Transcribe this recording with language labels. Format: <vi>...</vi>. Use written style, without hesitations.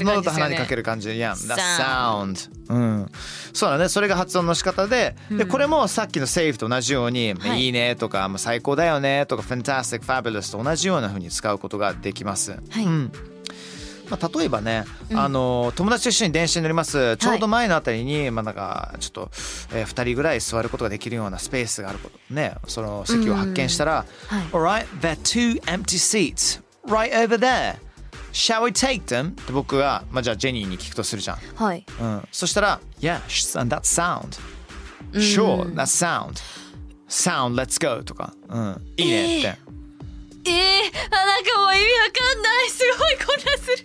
<ja>よね。そう、喉と鼻にかける感じ、</ja> <en>yeah, that's sound、</en> <ja>うん、そうだね、それが発音の仕方で、うん、でこれもさっきの safe と同じように、はい、いいねとか最高だよねとか</ja> <en>fantastic, fabulous</en> <ja>と同じような風に使うことができます、はい、うん、まあ、例えばね、うん、あの友達と一緒に電車に乗ります。ちょうど前のあたりに、はい、まあ、なんかちょっと、2人ぐらい座ることができるようなスペースがあることね、その席を発見したら、うん、はい、</ja> <en>Alright, there are two empty seats right over there. Shall we take them?</en> <ja>で僕が、まあ、じゃあジェニーに聞くとするじゃん。はい。うん、そしたら</ja> <en>Yes, and that sound. Sure, that sound. Sound, let's go.</en> <ja>とか、うん、いいねって。あ、なんかもう意味わかんない。すごい混乱する。</ja>